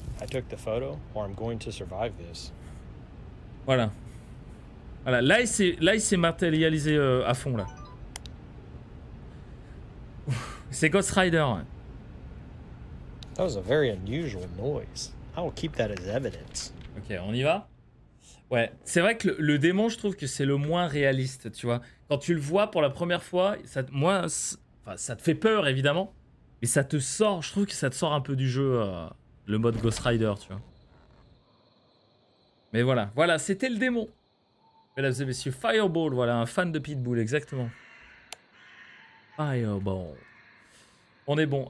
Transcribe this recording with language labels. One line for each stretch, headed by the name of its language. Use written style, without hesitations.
English: I took the photo or I'm going to survive this.
French: Voilà. Voilà, là il s'est matérialisé à fond là. C'est Ghost Rider. Hein.
English: That was a very unusual noise. I will keep that as evidence.
French: OK, on y va? Ouais, c'est vrai que le démon, je trouve que c'est le moins réaliste, tu vois. Quand tu le vois pour la première fois, ça te fait peur évidemment, mais ça te sort, je trouve que ça te sort un peu du jeu le mode Ghost Rider, tu vois. Mais voilà, voilà, c'était le démon. Mesdames et messieurs, Fireball, voilà, un fan de Pitbull, exactement. Fireball. On est bon.